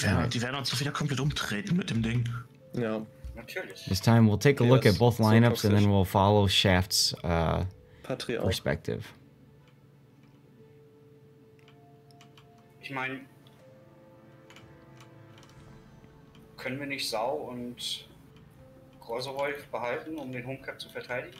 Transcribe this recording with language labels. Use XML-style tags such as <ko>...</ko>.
<de>Die werden uns doch wieder komplett umtreten mit dem Ding. Ja.</de> <en>This time we'll take a look at both lineups so and then we'll follow Shaft's perspective.</en> <de>Ich meine, können wir nicht Sau und Grosowolf behalten, um den Homecap zu verteidigen?</de>